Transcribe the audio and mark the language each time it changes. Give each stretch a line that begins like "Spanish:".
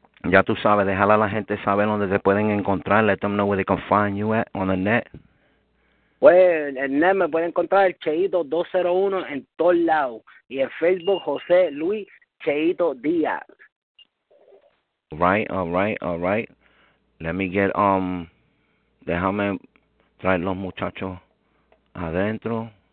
Spanish: Ya tú sabes, déjala a la gente saber dónde te pueden encontrar.
English: Let them know where they can find you at on the net.
Spanish: Pues, el net me puede encontrar el Cheito 201 en todos lados. Y en Facebook, José Luis Cheito Díaz.
English: All right. Let me get,
Spanish: déjame traer los muchachos. Adentro.